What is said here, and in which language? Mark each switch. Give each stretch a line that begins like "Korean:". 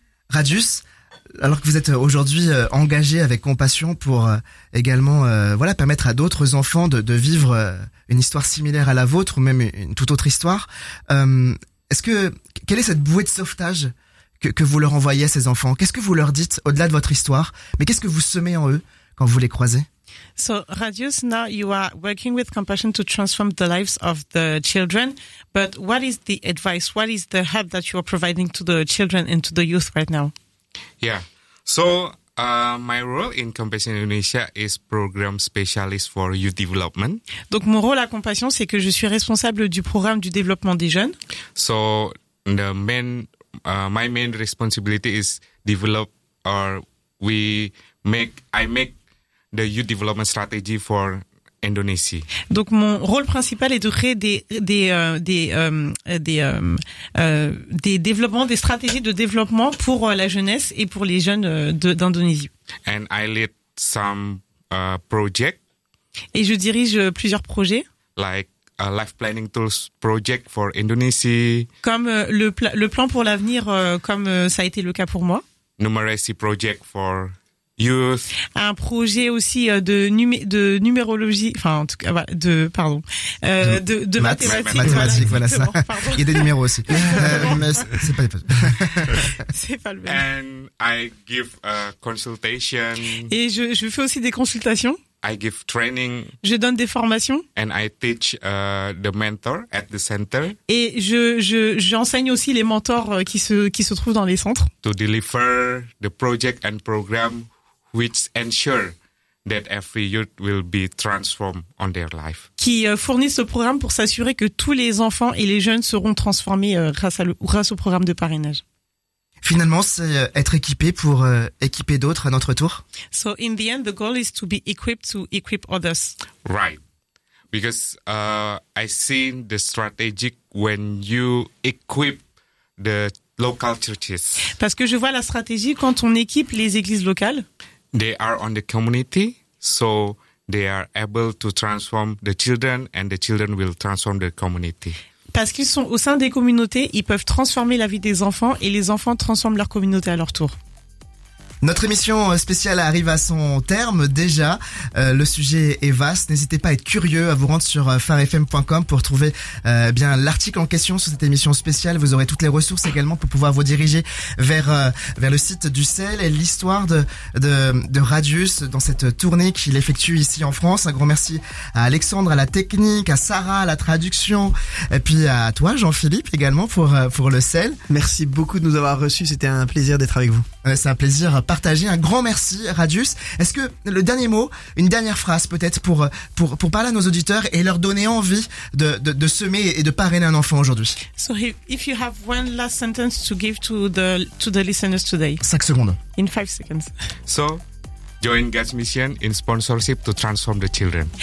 French: Radius, alors que vous êtes aujourd'hui engagé avec compassion pour également voilà permettre à d'autres enfants de vivre une histoire similaire à la vôtre ou même une toute autre histoire, quelle est cette bouée de sauvetage que vous leur envoyez à ces enfants? Qu'est-ce que vous leur dites au-delà de votre histoire? Mais qu'est-ce que vous semez en eux quand vous les croisez?
English: So, Radius, now you are working with compassion to transform the lives of the children. But what is the advice? What is the help that you are providing to the children and to the youth right now? Yeah. So, my role in Compassion Indonesia is program specialist for youth development.
French: Donc, mon rôle à Compassion, c'est que je suis responsable du programme du développement des jeunes.
English: So, the main my main responsibility is develop or we make I make the youth development strategy for Indonesia.
French: Donc mon rôle principal est de créer des développements, des stratégies de développement pour la jeunesse et pour les jeunes d'Indonésie.
English: And I lead some project.
French: Et je dirige plusieurs projets.
English: Like a life planning tools project for Indonesia.
French: Comme le plan pour l'avenir, comme ça a été le cas pour moi.
English: Numeracy project for youth.
French: Un projet aussi de numérologie, enfin en tout cas de mathématiques, voilà ça. Il y a des numéros aussi. mais c'est pas le même. C'est pas le même.
English: And I give a consultation.
French: Et je fais aussi des consultations.
English: I give training.
French: Je donne des formations.
English: And I teach the mentor at the center.
French: Et j'enseigne aussi les mentors qui se trouvent dans les centres.
English: To deliver the project and program which ensure that every youth will be transformed on their life.
French: Qui fournissent ce programme pour s'assurer que tous les enfants et les jeunes seront transformés grâce au programme de parrainage. Finalement, c'est être équipé pour équiper d'autres à notre tour.
English: So in the end, the goal is to be equipped to equip others. Right, because I seen the strategic when you equip the local churches.
French: Parce que je vois la stratégie quand on équipe les églises locales.
English: They are on the community, so they are able to transform the children, and the children will transform the community.
French: Parce qu'ils sont au sein des communautés, ils peuvent transformer la vie des enfants et les enfants transforment leur communauté à leur tour. Notre émission spéciale arrive à son terme déjà. Le sujet est vaste. N'hésitez pas à être curieux, à vous rendre sur farfm.com pour trouver bien l'article en question sur cette émission spéciale. Vous aurez toutes les ressources également pour pouvoir vous diriger vers le site du CEL et l'histoire de Radius dans cette tournée qu'il effectue ici en France. Un grand merci à Alexandre, à la technique, à Sarah, à la traduction, et puis à toi Jean-Philippe également pour le CEL. Merci beaucoup de nous avoir reçus. C'était un plaisir d'être avec vous. C'est un plaisir partagé. Un grand merci, Radius. Est-ce que le dernier mot, une dernière phrase peut-être pour parler à nos auditeurs et leur donner envie de semer et de parrainer un enfant aujourd'hui?
English: So if you have one last sentence to give to the listeners today.
French: 5 secondes.
English: In 5 seconds. So Join God's Mission in sponsorship to transform the children.